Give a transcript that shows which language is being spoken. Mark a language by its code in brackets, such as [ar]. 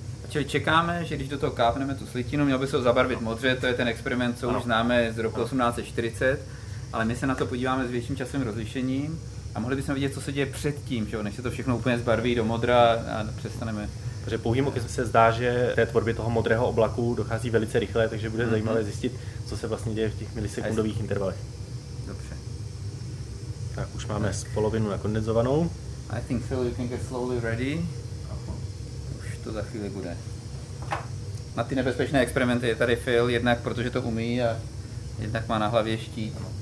[cs] Čili čekáme, že když do toho kápneme tu slitinu, měl by se ho zabarvit modře, to je ten experiment, co už známe z roku 1840, ale my se na to podíváme s větším časovým rozlišením a mohli bychom vidět, co se děje předtím, že než se to všechno úplně zbarví do modra a přestaneme. Takže pouhým okem se zdá, že té tvorbě toho modrého oblaku dochází velice rychle, takže bude zajímavé zjistit, co se vlastně děje v těch milisekundových intervalech. Dobře. Tak už máme z polovinu nakondenzovanou. [en] I think Phil, you can get slowly ready. [cs] To za chvíli bude. Na ty nebezpečné experimenty je tady Phil, jednak protože to umí a jednak má na hlavě štít.